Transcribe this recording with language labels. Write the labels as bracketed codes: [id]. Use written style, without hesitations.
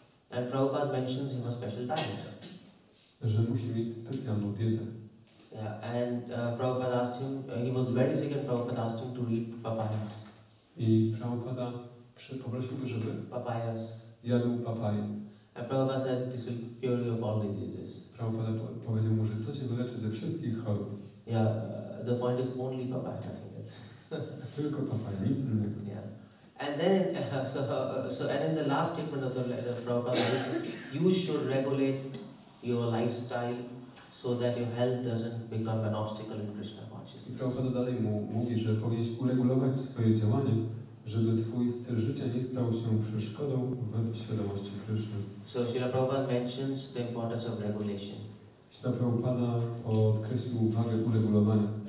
[en] And Prabhupada mentions him a special diet. [pl] Że musi mieć specjalną dietę. [en] Yeah, and Prabhupada asked him, he was very sick and Prabhupada asked him to eat papayas. [pl] I Prabhupada poprosił go, żeby [en] papayas. [pl] Jadł papaje. [en] And Prabhupada said, this will cure you of all diseases. [pl] Prabhupada powiedział mu, że to cię wyleczy ze wszystkich chorób. [en] Yeah. The point is only papaya, I think it's. [pl] Tylko papaya, nic innego. [en] Yeah. And then, in the last statement of the letter, Prabhupada writes, you should regulate your lifestyle so that your health doesn't become an obstacle in Krishna consciousness. [pl] I Prabhupada dalej mówi, że powinieneś uregulować swoje działanie, żeby twój styl życia nie stał się przeszkodą w świadomości Krishna. [en] So Śrīla Prabhupada mentions the importance of regulation. [pl] Śrīla Prabhupada podkreślił uwagę uregulowania.